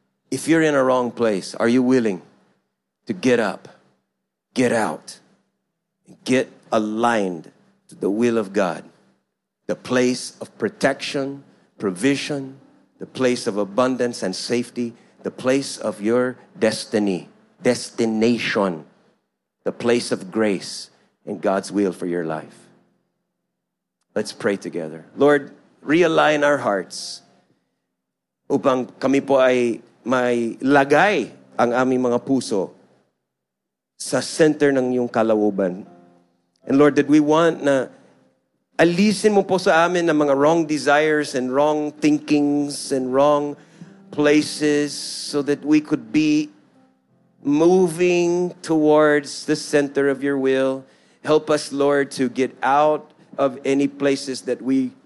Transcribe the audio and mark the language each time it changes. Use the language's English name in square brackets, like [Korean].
[English] If you're in a wrong place, are you willing to get up, get out, get aligned to the will of God? The place of protection, provision, the place of abundance and safety, the place of your destiny, destination, the place of grace and God's will for your life. Let's pray together. Lord, realign our hearts [Filipino] upang kami po ay may lagay ang aming mga puso sa center ng iyong kalooban. [English] And Lord, that we want [Filipino] na alisin mo po sa amin ang mga [English] wrong desires and wrong thinkings and wrong places so that we could be moving towards the center of your will. Help us, Lord, to get out of any places that we